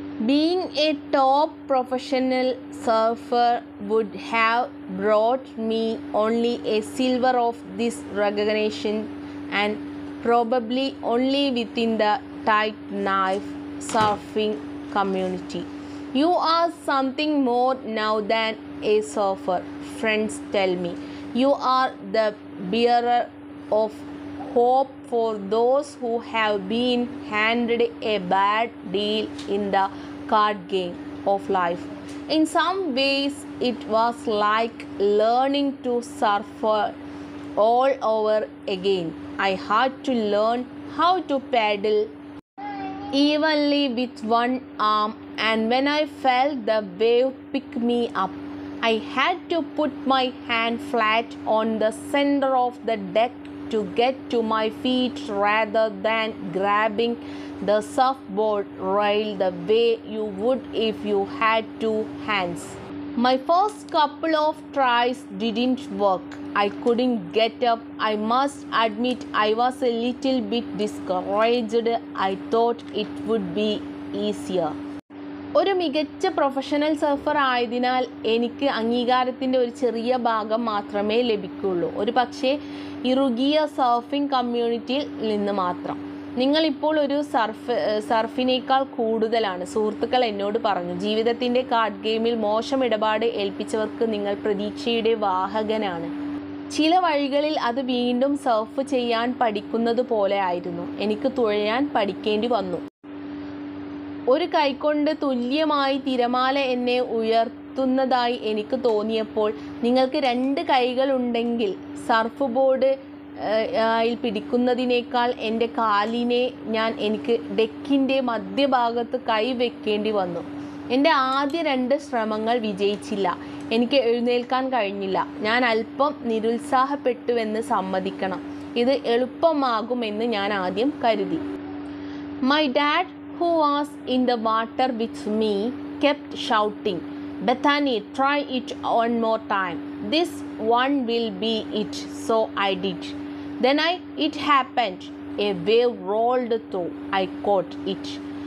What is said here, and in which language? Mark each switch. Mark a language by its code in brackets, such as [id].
[en] Being a top professional surfer would have brought me only a sliver of this recognition, and probably only within the tight knife surfing community. You are something more now than a surfer, friends tell me. You are the bearer of hope for those who have been handed a bad deal in the card game of life. In some ways it was like learning to surf all over again. I had to learn how to paddle evenly with one arm, and when I felt the wave pick me up, I had to put my hand flat on the center of the deck to get to my feet rather than grabbing the surfboard rail the way you would if you had two hands. My first couple of tries didn't work. I couldn't get up. I must admit I was a little bit discouraged. I thought it would be easier. [ml] ഒരു മികച്ച professional surfer ആയതിനാൽ എനിക്ക് അംഗീകാരത്തിൻ്റെ ഒരു ചെറിയ ഭാഗം മാത്രമേ ലഭിക്കുകയുള്ളൂ, ഒരു പക്ഷേ ഇറുകിയ സർഫിംഗ് കമ്മ്യൂണിറ്റിയിൽ നിന്ന് മാത്രം. നിങ്ങളിപ്പോൾ ഒരു സർഫിനേക്കാൾ കൂടുതലാണ്. സുഹൃത്തുക്കൾ എന്നോട് പറഞ്ഞു, ജീവിതത്തിൻ്റെ കാർഡ് ഗെയിമിൽ മോശം ഇടപാട് ഏൽപ്പിച്ചവർക്ക് നിങ്ങൾ പ്രതീക്ഷയുടെ വാഹകനാണ്. ചില വഴികളിൽ അത് വീണ്ടും സർഫ് ചെയ്യാൻ പഠിക്കുന്നത് പോലെ ആയിരുന്നു. എനിക്ക് തുഴയാൻ പഠിക്കേണ്ടി വന്നു. ഒരു കൈകൊണ്ട് തുല്യമായി തിരമാല എന്നെ ഉയർത്തുന്നതായി എനിക്ക് തോന്നിയപ്പോൾ, നിങ്ങൾക്ക് രണ്ട് കൈകളുണ്ടെങ്കിൽ സർഫ് ബോർഡ് പിടിക്കുന്നതിനേക്കാൾ എൻ്റെ കാലിനെ ഞാൻ എനിക്ക് ഡെക്കിൻ്റെ മധ്യഭാഗത്ത് കൈവെക്കേണ്ടി വന്നു. എൻ്റെ ആദ്യ രണ്ട് ശ്രമങ്ങൾ വിജയിച്ചില്ല. എനിക്ക് എഴുന്നേൽക്കാൻ കഴിഞ്ഞില്ല. ഞാൻ അല്പം നിരുത്സാഹപ്പെട്ടുവെന്ന് സമ്മതിക്കണം. ഇത് എളുപ്പമാകുമെന്ന് ഞാൻ ആദ്യം കരുതി. [en] My dad who was in the water with me kept shouting, Bethany, try it one more time. This one will be it. So I did. Then it happened. A wave rolled through. I caught it.